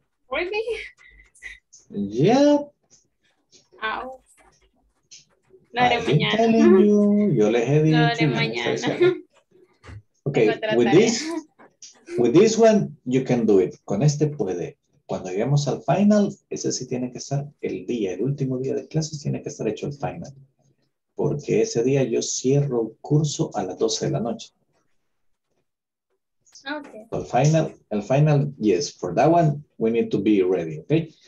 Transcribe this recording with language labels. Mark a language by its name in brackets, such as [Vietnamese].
[English] Really? Yeah. [Spanish] Ow. No de mañana. [English] I'm telling you. [Spanish] Yo les he dicho. No de mañana. [English] Okay, with this, with this one, you can do it. [Spanish] Con este puede. Cuando lleguemos al final, ese sí tiene que ser el día. El último día de clases tiene que estar hecho el final. Porque ese día yo cierro el curso a las 12 de la noche. [English] Okay. [Spanish] El final, yes. [English] For that one, we need to be ready, okay?